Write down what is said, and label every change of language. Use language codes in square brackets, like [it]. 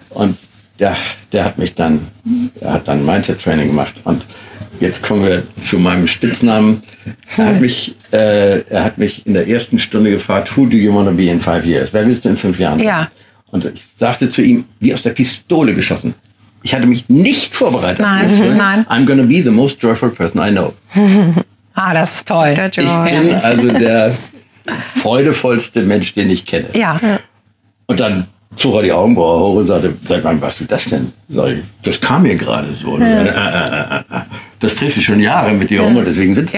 [de] Und der hat dann Mindset Training gemacht. Und jetzt kommen wir zu meinem Spitznamen. Er hat mich in der ersten Stunde gefragt, [en] who do you want to be in 5 years? [de] Wer willst du in 5 Jahren? Ja. Und ich sagte zu ihm, wie aus der Pistole geschossen. Ich hatte mich nicht vorbereitet. Nein. [en] I'm going to be the most joyful person I know. [de] Ah, das ist toll. Ich bin also der freudevollste Mensch, den ich kenne. Ja. Und dann zog er die Augenbraue hoch und sagte, sag mal, was du das denn? Sag ich, das kam mir gerade so. Ja. Das triffst du schon Jahre mit dir um und deswegen sitzt du